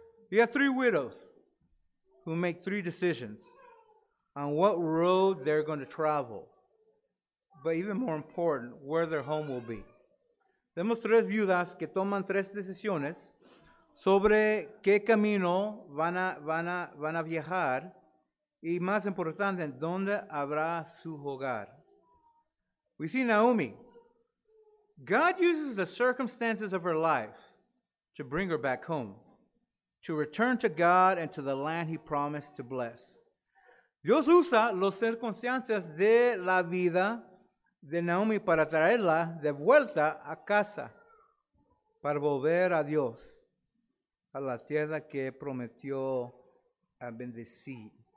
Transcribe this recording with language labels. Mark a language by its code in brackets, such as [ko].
[en] You have three widows who make three decisions on what road they're going to travel. But even more important, where their home will be. [es] Tenemos tres viudas que toman tres decisiones sobre qué camino van a viajar y más importante, dónde habrá su hogar. [en] We see Naomi. God uses the circumstances of her life to bring her back home, to return to God and to the land he promised to bless. [es] Dios usa las circunstancias de la vida de Naomi para traerla de vuelta a casa, para volver a Dios, a la tierra que prometió a bendecir.